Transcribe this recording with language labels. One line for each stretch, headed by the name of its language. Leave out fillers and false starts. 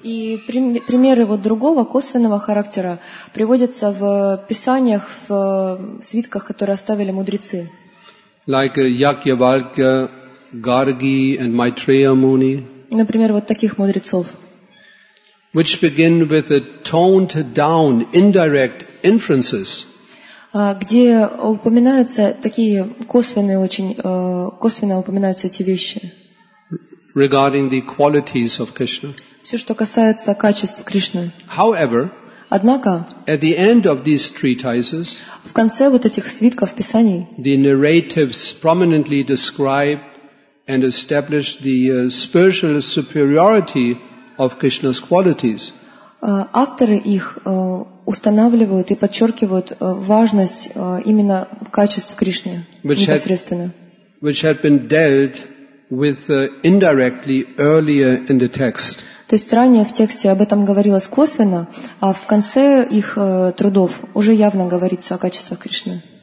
Russian: И примеры вот другого косвенного характера приводятся в писаниях, в свитках, которые оставили мудрецы.
English: Like Yajñavalkya, Gargi and Maitreya Muni.
Russian: Например, вот таких мудрецов.
English: Which begin with a toned down indirect inferences.
Russian: Где упоминаются такие косвенные очень косвенно упоминаются эти вещи.
English: Regarding the qualities of Krishna.
Russian: Все, что касается качеств Кришны.
English: However,
Russian: однако,
English: at the end of these treatises,
Russian: в конце вот этих свитков писаний,
English: the narratives prominently describe and establish the spiritual superiority of Krishna's qualities.
Russian: Авторы их устанавливают и подчеркивают важность именно качеств Кришны непосредственно.
English: Which had been dealt with indirectly earlier in the text.
Russian: То есть ранее в тексте об этом говорилось косвенно, а в конце их трудов уже явно говорится о качествах Кришны.